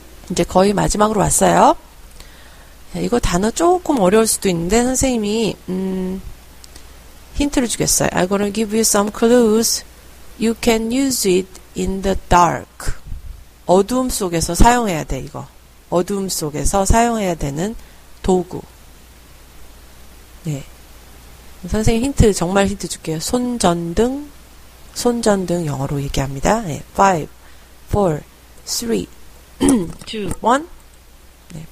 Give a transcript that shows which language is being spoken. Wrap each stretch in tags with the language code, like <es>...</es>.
<ko>이제 거의 마지막으로 왔어요. 예, 이거 단어 조금 어려울 수도 있는데, 선생님이, 힌트를 주겠어요.</ko> <en>I'm gonna give you some clues. You can use it in the dark.</en> <ko>어두움 속에서 사용해야 돼, 이거. 어두움 속에서 사용해야 되는 도구. 네. 선생님 힌트, 정말 힌트 줄게요. 손전등. 손전등 영어로 얘기합니다. 네. 5, 4, 3, 2, 1. 네.</ko>